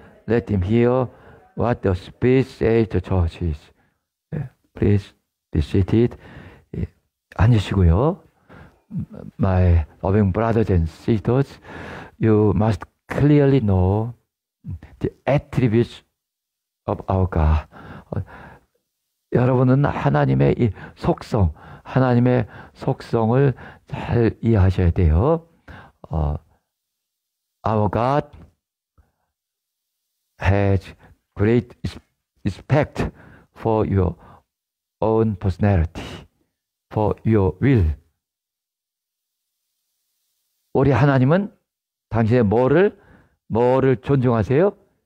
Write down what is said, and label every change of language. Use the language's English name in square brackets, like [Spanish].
[English] Let him hear what the Spirit says to churches. Please be seated. [Korean] 앉으시고요. [English] My loving brothers and sisters, you must clearly know the attributes of our God. [Korean] 여러분은 하나님의 이 속성, 하나님의 속성을 잘 이해하셔야 돼요. [English] Our God has great respect for your own personality, for your will. [Korean] 우리 하나님은 당신의 뭐를 존중하세요?